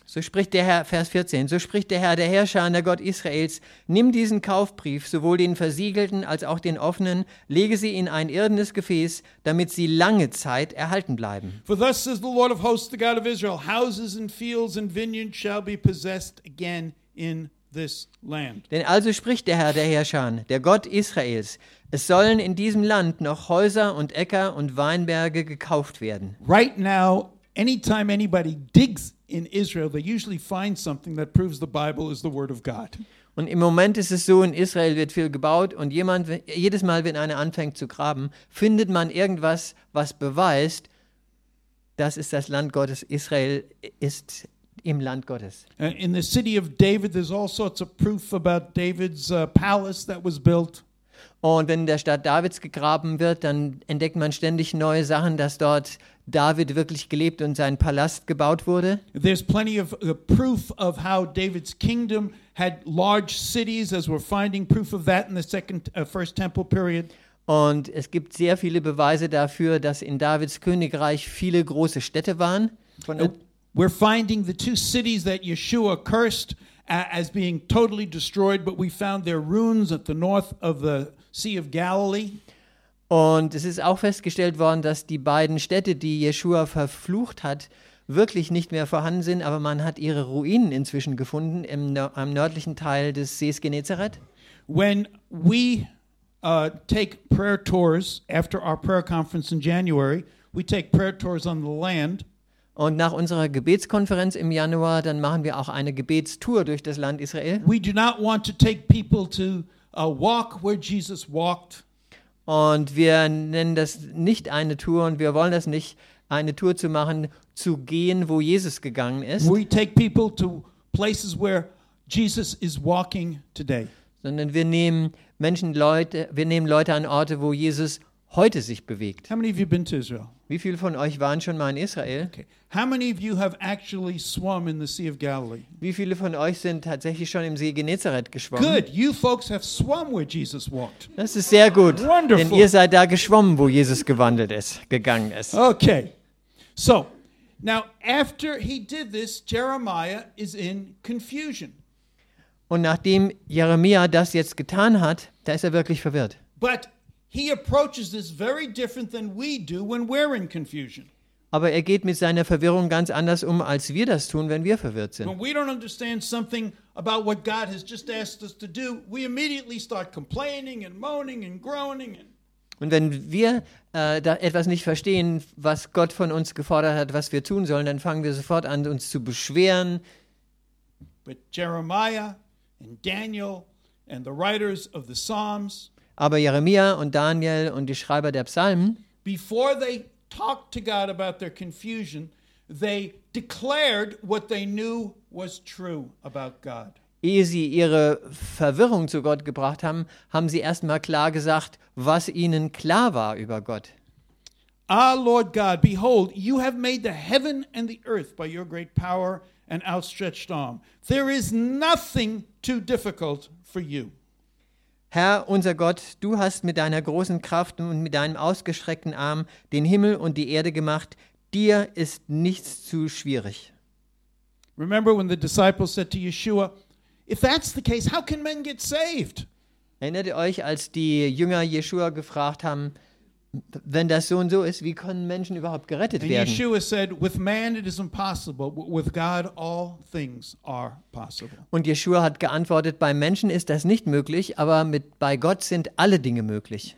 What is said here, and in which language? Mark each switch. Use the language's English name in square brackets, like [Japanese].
[German] So spricht der Herr, Vers 14, so spricht der Herr, der Herrscher, der Gott Israels, nimm diesen Kaufbrief, sowohl den versiegelten als auch den offenen, lege sie in ein irdenes Gefäß, damit sie lange Zeit erhalten bleiben. [English] For thus says the Lord of hosts, the God of Israel, houses and fields and vineyards shall be possessed again in this land. [German] Denn also spricht der Herr, der Herrscher, der Gott Israels, es sollen in diesem Land noch Häuser und Äcker und Weinberge gekauft werden. [English] Right now, anytime anybody digs in Israel, they usually find something that proves the Bible is the word of God. [German] Und im Moment ist es so, in Israel wird viel gebaut und jedes Mal, wenn einer anfängt zu graben, findet man irgendwas, was beweist, das ist das Land Gottes. Israel ist im Land Gottes. [English] In the city of David, there's all sorts of proof about David's palace that was built. [German] Und wenn in der Stadt Davids gegraben wird, dann entdeckt man ständig neue Sachen, dass dort David wirklich gelebt und sein Palast gebaut wurde. [English] There's plenty of proof of how David's kingdom had large cities, as we're finding proof of that in the first temple period. [German] Und es gibt sehr viele Beweise dafür, dass in Davids Königreich viele große Städte waren. [English] We're finding the two cities that Yeshua cursed as being totally destroyed, but we found their ruins at the north of the Sea of Galilee. [German] Und es ist auch festgestellt worden, dass die beiden Städte, die Yeshua verflucht hat, wirklich nicht mehr vorhanden sind, aber man hat ihre Ruinen inzwischen gefunden am nördlichen Teil des Sees Genezareth. [English] When we take prayer tours after our prayer conference in January, we take prayer tours on the land. [German] Und nach unserer Gebetskonferenz im Januar, dann machen wir auch eine Gebetstour durch das Land Israel. [English] We do not want to take people to walk where Jesus walked. [German] Und wir nennen das nicht eine Tour und wir wollen das nicht, eine Tour zu machen, zu gehen, wo Jesus gegangen ist. [English] We take people to places where Jesus is walking today. [German] Sondern wir nehmen Leute an Orte, wo Jesus heute sich bewegt. [English] How many of you have been to Israel? [German] Wie viele von euch waren schon mal in Israel? [English] Okay. How many of you have actually swum in the Sea of Galilee? [German] Wie viele von euch sind tatsächlich schon im See Genezareth geschwommen? [English] Good, you folks have swum where Jesus walked. [German] Das ist sehr gut. Wonderful. Denn ihr seid da geschwommen, wo Jesus gegangen ist. [English] Okay. So, now after he did this, Jeremiah is in confusion. [German] Und nachdem Jeremia das jetzt getan hat, da ist er wirklich verwirrt. [English] But he approaches this very different than we do when we're in confusion. [German] Aber er geht mit seiner Verwirrung ganz anders um, als wir das tun, wenn wir verwirrt sind. [English] When we don't understand something about what God has just asked us to do, we immediately start complaining and moaning and groaning. [German] Und wenn wir da etwas nicht verstehen, was Gott von uns gefordert hat, was wir tun sollen, dann fangen wir sofort an, uns zu beschweren. [English] But Jeremiah and Daniel and the writers of the Psalms, [German] aber Jeremia und Daniel und die Schreiber der Psalmen, [English] before they talked to God about their confusion, they declared what they knew was true about God. [German] Ehe sie ihre Verwirrung zu Gott gebracht haben, haben sie erstmal klar gesagt, was ihnen klar war über Gott. [English] Ah, Lord God, behold, you have made the heaven and the earth by your great power and outstretched arm. There is nothing too difficult for you. [German] Herr, unser Gott, du hast mit deiner großen Kraft und mit deinem ausgestreckten Arm den Himmel und die Erde gemacht. dir ist nichts zu schwierig. [English] Remember when the disciples said to Yeshua, if that's the case, how can men get saved? [German] Erinnert ihr euch, als die Jünger Yeshua gefragt haben, wenn das so und so ist, wie können Menschen überhaupt gerettet werden? [English] And Yeshua said, with man it is impossible, with God all things are possible. [German] Und Yeshua hat geantwortet, bei Menschen ist das nicht möglich, aber bei Gott sind alle Dinge möglich.